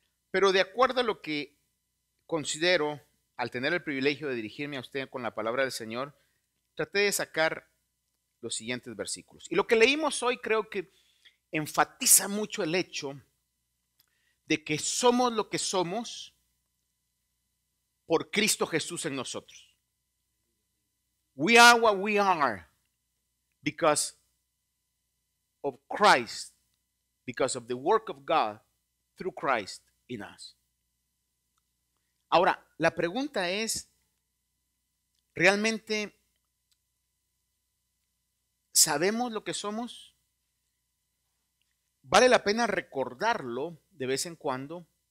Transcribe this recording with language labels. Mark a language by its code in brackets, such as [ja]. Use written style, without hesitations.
[es] Pero de acuerdo a lo que considero al tener el privilegio de dirigirme a usted con la palabra del Señor, traté de sacar los siguientes versículos. Y lo que leímos hoy creo que enfatiza mucho el hecho de que somos lo que somos por Cristo Jesús en nosotros. [en] We are what we are because of Christ, because of the work of God through Christ in us. [es] Ahora, la pregunta es, ¿realmente sabemos lo que somos? ¿Vale la pena recordarlo de vez en cuando?